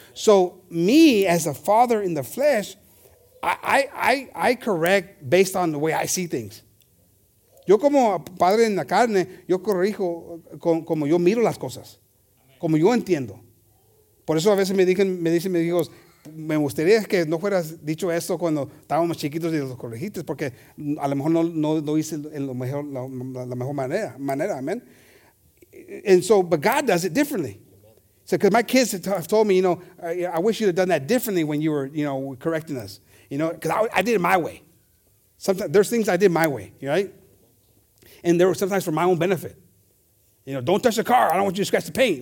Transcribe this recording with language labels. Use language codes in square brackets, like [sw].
[en] So me as a father in the flesh, I correct based on the way I see things. [es] Yo como padre en la carne, yo corrijo como yo miro las cosas. Como yo entiendo. Por eso a veces me dicen, me gustaría que no fueras dicho esto cuando estábamos chiquitos y los corregiste, porque a lo mejor no hice en lo mejor, la mejor manera, amén. [en] And so, but God does it differently. So, because my kids have told me, you know, I wish you'd have done that differently when you were, you know, correcting us. You know, because I did it my way. Sometimes there's things I did my way, right? And there were sometimes for my own benefit. You know, don't touch the car. I don't want you to scratch the paint.